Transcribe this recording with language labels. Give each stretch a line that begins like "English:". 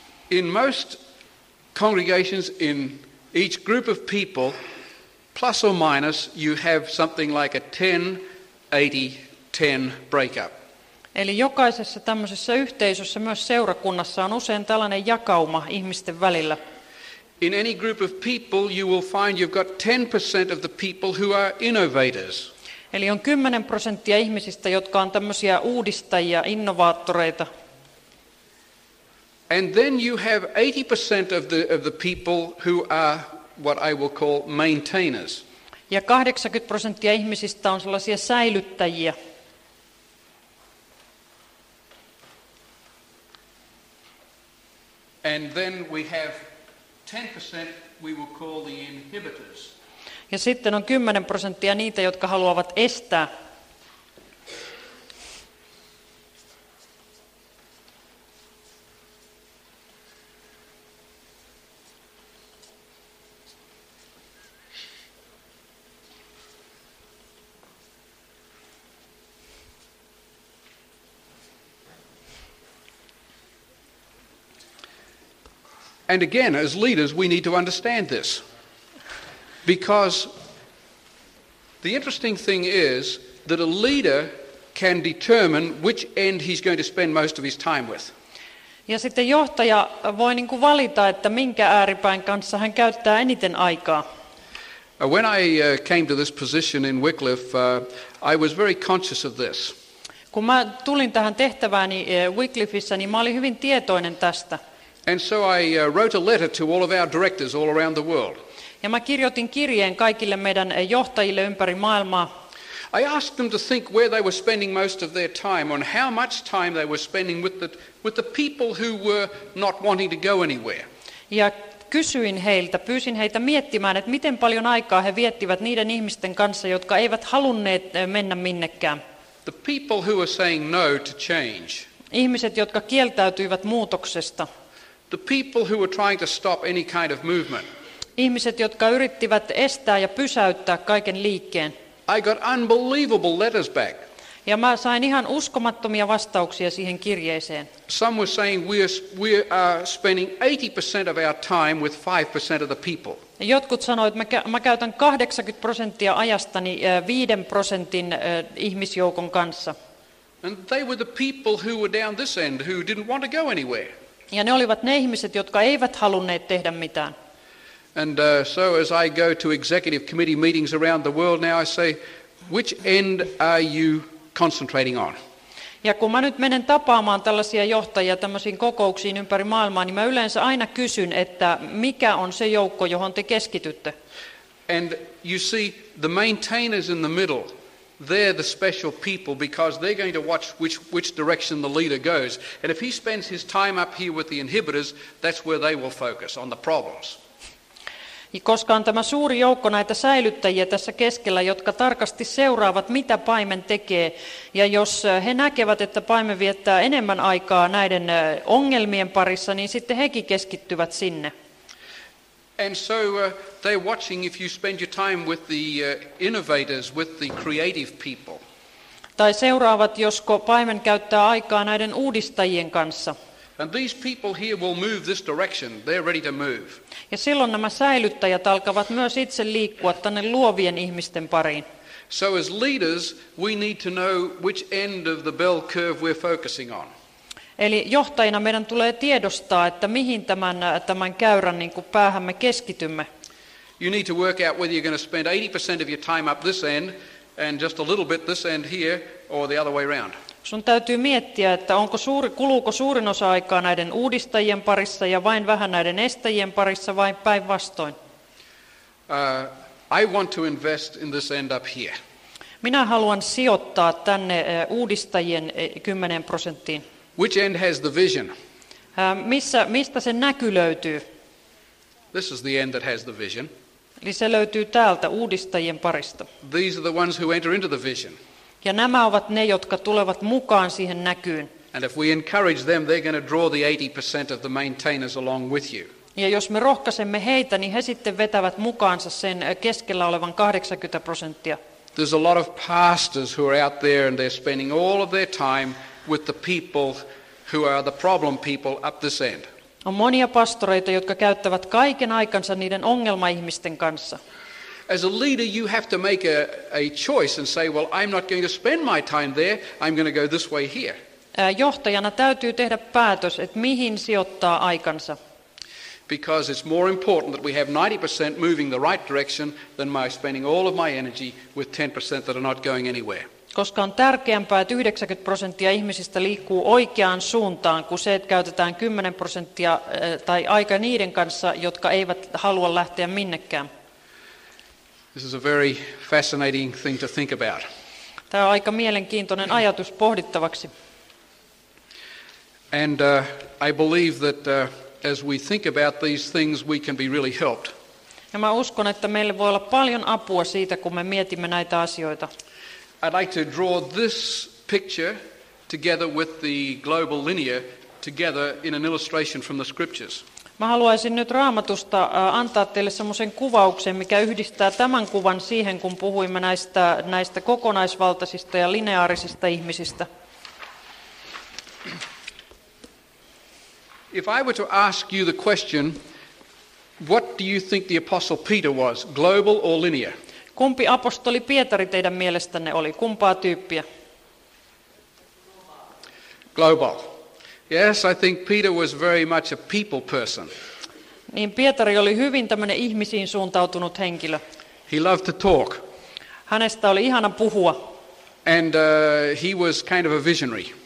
English: In most congregations in each group of people, plus or minus, you have something like a 10-80-10 breakup.
Finnish: Eli jokaisessa tämmöisessä yhteisössä, myös seurakunnassa, on usein tällainen jakauma ihmisten välillä.
English: In any group of people, you will find you've got 10% of the people who are innovators.
Finnish: Eli on 10% ihmisistä, jotka on tämmöisiä uudistajia, innovaattoreita.
English: And then you have 80% of the people who are what I will call maintainers.
Finnish: Ja 80% ihmisistä on sellaisia säilyttäjiä.
English: And then we have 10% we will call the inhibitors.
Finnish: Ja sitten on 10% niitä, jotka haluavat estää.
English: And again, as leaders, we need to understand this. Because the interesting thing is that a leader can determine which end he's going to spend most of his time with.
Finnish: Ja sitten johtaja voi niin kuin valita, että minkä ääripäin kanssa hän käyttää eniten aikaa.
English: When I came to this position in Wycliffe, I was very conscious of this.
Finnish: Kun mä tulin tähän tehtävääni Wycliffeissa, niin mä olin hyvin tietoinen tästä.
English: And so I wrote a letter to all of our directors all around the world.
Finnish: Ja mä kirjoitin kirjeen kaikille meidän johtajille ympäri maailmaa.
English: I asked them to think where they were spending most of their time and how much time they were spending with the people who were not wanting to go anywhere.
Finnish: Ja pyysin heitä miettimään, että miten paljon aikaa he viettivät niiden ihmisten kanssa, jotka eivät halunneet mennä minnekään.
English: The people who were saying no to change.
Finnish: Ihmiset, jotka kieltäytyivät muutoksesta.
English: The people who were trying to stop any kind of movement.
Finnish: Ihmiset, jotka yrittivät estää ja pysäyttää kaiken liikkeen.
English: I got unbelievable letters back.
Finnish: Ja mä sain ihan uskomattomia vastauksia siihen kirjeeseen.
English: Some were saying we are spending 80% of our time with 5% of the people.
Finnish: Jotkut sanoivat, että mä käytän 80% ajastani 5% ihmisjoukon kanssa.
English: And they were the people who were down this end who didn't want to go anywhere.
Finnish: Ja ne olivat ne ihmiset, jotka eivät halunneet tehdä mitään.
English: And so as I go to executive committee meetings around the world now, I say, which end are you concentrating on?
Finnish: Ja kun mä nyt menen tapaamaan tällaisia johtajia tämmöisiin kokouksiin ympäri maailmaa, niin mä yleensä aina kysyn, että mikä on se joukko, johon te keskitytte.
English: And you see, the maintainers in the middle, they're the special people because they're going to watch which direction the leader goes. And if he spends his time up here with the inhibitors, that's where they will focus, on the problems.
Finnish: Koska on tämä suuri joukko näitä säilyttäjiä tässä keskellä, jotka tarkasti seuraavat, mitä paimen tekee. Ja jos he näkevät, että paimen viettää enemmän aikaa näiden ongelmien parissa, niin sitten hekin keskittyvät sinne.
English: And so they're watching if you spend your time with the innovators, with the creative people.
Finnish: Tai seuraavat, josko paimen käyttää aikaa näiden uudistajien kanssa.
English: And these people here will move this direction. They're ready to move.
Finnish: Ja silloin nämä säilyttäjät alkavat myös itse liikkua tänne luovien ihmisten pariin.
English: So as leaders, we need to know which end of the bell curve we're focusing on.
Finnish: Eli johtajina meidän tulee tiedostaa, että mihin tämän käyrän niin kuin päähän me keskitymme.
English: You need to work out whether you're going to spend 80% of your time up this end and just a little bit this end here or the other way around.
Finnish: Sun täytyy miettiä, että kuluuko suurin osa aikaa näiden uudistajien parissa ja vain vähän näiden estäjien parissa vai päinvastoin.
English: I want to invest in this end up here.
Finnish: Minä haluan sijoittaa tänne uudistajien 10%.
English: Which end has the vision?
Finnish: Mistä se näky löytyy?
English: This is the end that has the vision.
Finnish: Eli se löytyy täältä uudistajien parista.
English: These are the ones who enter into the vision.
Finnish: Ja nämä ovat ne, jotka tulevat mukaan siihen näkyyn.
English: And if we encourage them, they're going to draw the 80% of the maintainers along with you.
Finnish: Ja jos me rohkaisemme heitä, niin he sitten vetävät mukaansa sen keskellä olevan 80%.
English: There's a lot of pastors who are out there and they're spending all of their time with the people who are the problem people up this end.
Finnish: On monia pastoreita, jotka käyttävät kaiken aikansa niiden ongelmaihmisten kanssa.
English: As a leader, you have to make a choice and say, well, I'm not going to spend my time there, I'm going to go this way here.
Finnish: Johtajana täytyy tehdä päätös, että mihin sijoittaa aikansa.
English: Because it's more important that we have 90% moving the right direction than my spending all of my energy with 10% that are not going anywhere.
Finnish: Koska on tärkeämpää, että 90% ihmisistä liikkuu oikeaan suuntaan, kuin se, että käytetään 10% tai aika niiden kanssa, jotka eivät halua lähteä minnekään.
English: This is a very fascinating thing to think about.
Finnish: Tämä on aika mielenkiintoinen ajatus pohdittavaksi.
English: And I believe that as we think about these things, we can be really helped.
Finnish: Ja mä uskon, että meille voi olla paljon apua siitä, kun me mietimme näitä asioita.
English: I'd like to draw this picture together with the global linear together in an illustration from the scriptures.
Finnish: Mä haluaisin nyt Raamatusta antaa teille semmoisen kuvauksen, mikä yhdistää tämän kuvan siihen, kun puhuimme näistä kokonaisvaltaisista ja lineaarisista ihmisistä.
English: If I were to ask you the question, what do you think the apostle Peter was, global or linear?
Finnish: Kumpi apostoli Pietari teidän mielestänne oli? Kumpaa tyyppiä?
English: Global. Yes, I think Peter was very much a people person.
Finnish: Niin Pietari oli hyvin tämmöinen ihmisiin suuntautunut henkilö.
English: He loved to talk.
Finnish: Hänestä oli ihana puhua.
English: And he was kind of a visionary.